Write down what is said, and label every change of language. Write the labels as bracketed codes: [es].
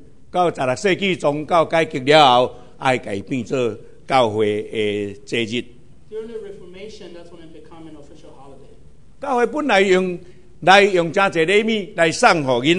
[nan] 到十六世纪宗教改革了后，爱改变做教会的节日。 [en] During the Reformation, that's when it became an official holiday. [nan] 教会本来用真侪礼物来送给囡